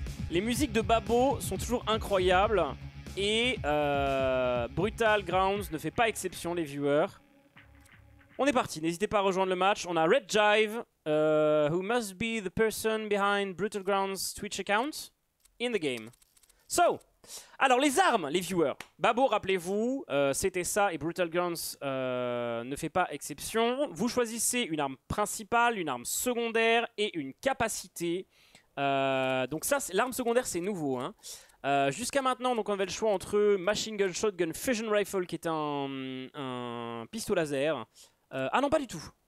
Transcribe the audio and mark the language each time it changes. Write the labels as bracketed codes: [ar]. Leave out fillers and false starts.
[fr] Les musiques de Babo sont toujours incroyables. Et Brutal Grounds ne fait pas exception, les viewers. On est parti, n'hésitez pas à rejoindre le match. On a [en] Red Jive, who must be the person behind Brutal Grounds Twitch account, in the game. So, [fr] alors les armes, les viewers. Babo, rappelez-vous, c'était ça et Brutal Grounds ne fait pas exception. Vous choisissez une arme principale, une arme secondaire et une capacité. Donc ça, c'est, l'arme secondaire, c'est nouveau. Hein. Jusqu'à maintenant, donc, on avait le choix entre Machine Gun, Shotgun, Fusion Rifle, qui est un pistolet laser. Ah non, pas du tout.